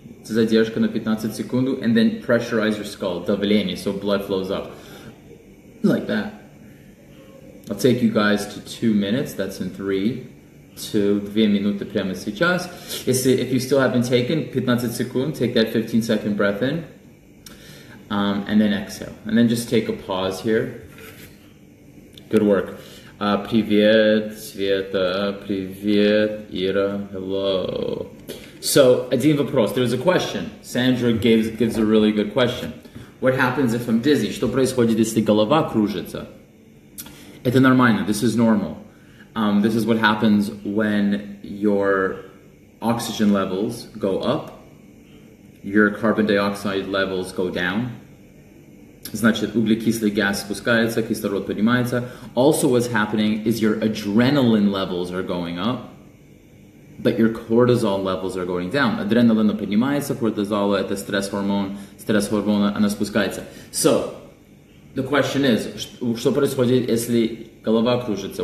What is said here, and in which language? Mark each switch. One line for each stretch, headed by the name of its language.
Russian: Задержка на 15 секунд,
English: and then pressurize your skull,
Russian: давление,
English: so blood flows up. Like that. I'll take you guys to 2 minutes, that's in 2 minutes
Russian: прямо сейчас.
English: If you still haven't taken
Russian: 15 секунд,
English: take that 15 second breath in, and then exhale. And then just take a pause here. Good work.
Russian: Привет, Света, привет, Ира,
English: hello. So,
Russian: один вопрос,
English: there's a question. Sandra gives a really good question. What happens if I'm dizzy?
Russian: Что происходит, если голова кружится? Это нормально,
English: this is normal. This is what happens when your oxygen levels go up, your carbon dioxide levels go down.
Russian: Значит, углекислый газ спускается, кислород поднимается.
English: Also, what's happening is your adrenaline levels are going up, but your cortisol levels are going down.
Russian: Adrenaline поднимается, cortisol – это стресс гормон, стресс гормон, она спускается.
English: So, the question is,
Russian: что происходит, если голова кружится?